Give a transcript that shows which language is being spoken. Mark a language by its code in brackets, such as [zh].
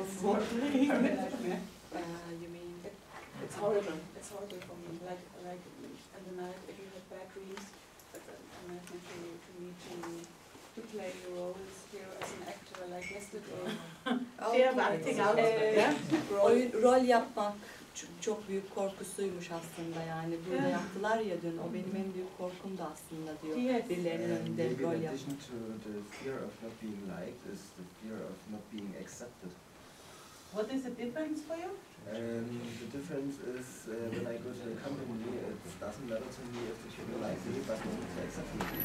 [en] It's horrible. It's horrible for me. Like in the night, if you have bad dreams, it's a nightmare for me to to play your roles here as an actor, like yesterday. [tr] Rol yapmak çok büyük korkusuymuş aslında yani. Bunu yeah. yaptılar ya dün, o benim en büyük korkum da aslında diyor. [en] Yes. [tr] Birilerinin önünde [en] maybe [tr] rol yapmak. [en] In addition to the fear of not being liked is the fear of not being accepted. What is the difference for you? The difference is when I go to a company, it doesn't matter to me if they don't like me, but not to accept me.